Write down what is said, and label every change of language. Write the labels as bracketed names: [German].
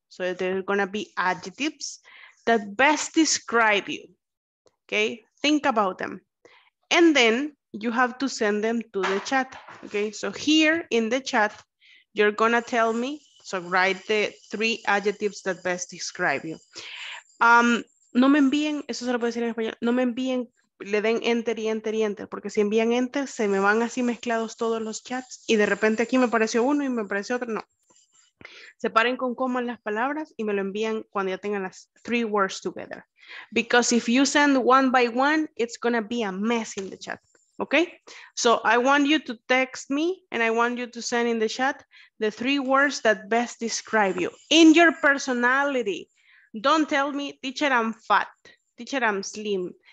[English] So they're gonna be adjectives that best describe you. Okay, think about them. And then you have to send them to the chat, okay? So here in the chat, you're gonna tell me, so write the three adjectives that best describe you. [Spanish] No me envíen, eso se lo puedo decir en español, no me envíen, le den enter y enter y enter, porque si envían enter, se me van así mezclados todos los chats y de repente aquí me apareció uno y me apareció otro, no. Separen con coma las palabras y me lo envían cuando ya tengan las [English] three words together. Because if you send one by one, it's gonna be a mess in the chat, okay? So I want you to text me and I want you to send in the chat the three words that best describe you. In your personality, don't tell me, teacher, I'm fat, teacher, I'm slim,